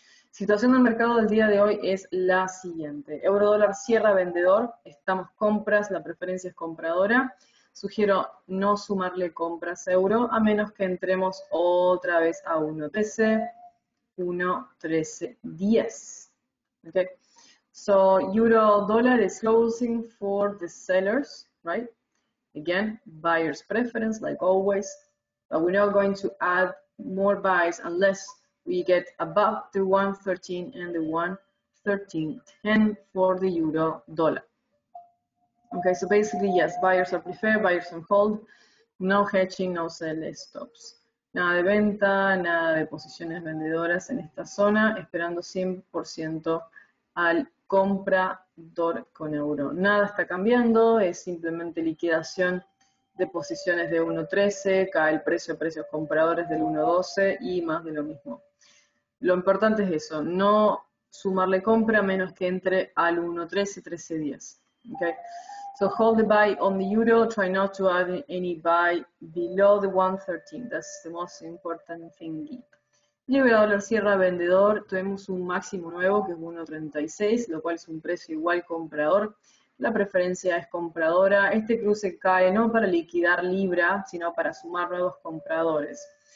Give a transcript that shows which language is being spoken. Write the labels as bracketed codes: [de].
[es] Situación del mercado del día de hoy es la siguiente. Euro-dólar cierra vendedor, estamos compras, la preferencia es compradora. Sugiero no sumarle compras a euro, a menos que entremos otra vez a 1.13, 1.13.10. [en] Okay. So, euro-dólar is closing for the sellers, right? Again, buyer's preference, like always. But we're not going to add more buys unless we get above the 1.13 and the 1.13.10 for the euro dollar. Okay, so basically, yes, buyers are preferred, buyers on hold. No hedging, no sell stops. [es] Nada de venta, nada de posiciones vendedoras en esta zona, esperando 100% al comprador con euro. Nada está cambiando, es simplemente liquidación de posiciones de 1.13, cae el precio a precios compradores del 1.12 y más de lo mismo. Lo importante es eso, no sumarle compra a menos que entre al 1.13, 1.13.10. Okay? [en] So hold the buy on the euro, try not to add any buy below the 1.13. That's the most important thing. [es] Libra dólar cierra vendedor, tenemos un máximo nuevo que es 1.36, lo cual es un precio igual comprador. La preferencia es compradora. Este cruce cae no para liquidar Libra, sino para sumar nuevos compradores.